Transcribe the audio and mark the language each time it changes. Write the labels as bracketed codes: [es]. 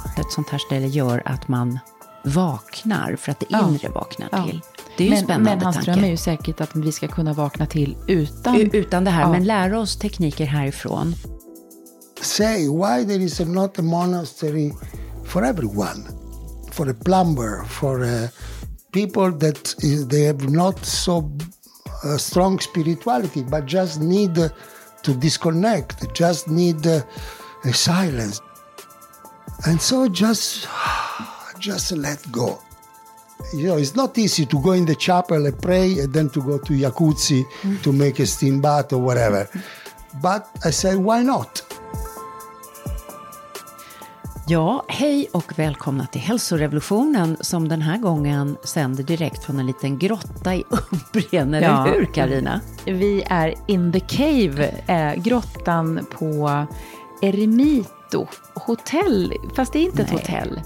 [sv] sånt här ställe gör att man vaknar, för att det inre vaknar till. Det är ju spännande tanke. Men hans dröm är ju säkert att vi ska kunna vakna till utan det här, men lära oss tekniker härifrån. [en] Say why there is not a monastery for everyone, for a plumber, for people that they have not so strong spirituality, but just need to disconnect, just need a silence. And so just let go. You know, it's not easy to go in the chapel and pray and then to go to jacuzzi to make a steam bath or whatever. But I say, why not? [sv] Ja, hej och välkomna till Hälsorevolutionen som den här gången sänder direkt från en liten grotta i Umbrien, eller hur Carina? Vi är [en] in the cave, [sv] grottan på Eremito Hotel, fast det är inte ett hotell.